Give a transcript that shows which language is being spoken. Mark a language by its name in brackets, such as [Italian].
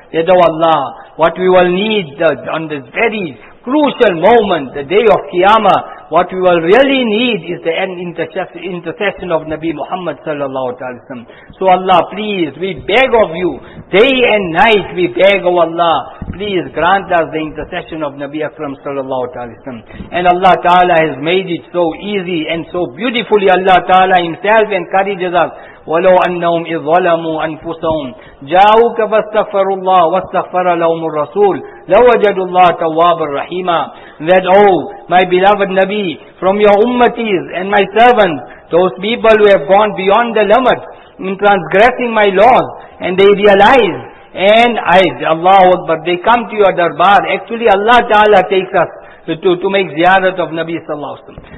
[English] That, oh Allah, what we will need on this very crucial moment, the day of Qiyamah, what we will really need is the intercession of Nabi Muhammad sallallahu alaihi wasallam. So Allah, please, we beg of you, day and night we beg, oh Allah, please grant us the intercession of Nabi Akram sallallahu alaihi wasallam. And Allah Ta'ala has made it so easy and so beautifully. Allah Ta'ala Himself encourages us, [Arabic] وَلَوْ أَنَّهُمْ إِذْ ظَلَمُوا أَنفُسَهُمْ جَاءُوكَ فَاسْتَغْفَرُوا اللَّهَ وَاسْتَغْفَرَ لَهُمُ الرَّسُولُ لَوَجَدُوا اللَّهَ تَوَّابًا رَحِيمًا. [English] That, oh my beloved Nabi, from your ummatis and my servants, those people who have gone beyond the limit in transgressing my laws, and they realize, and I, Allahu Akbar, they come to your darbar. Actually, Allah Ta'ala takes us to make ziyarat of Nabi sallallahu alaihi wasallam.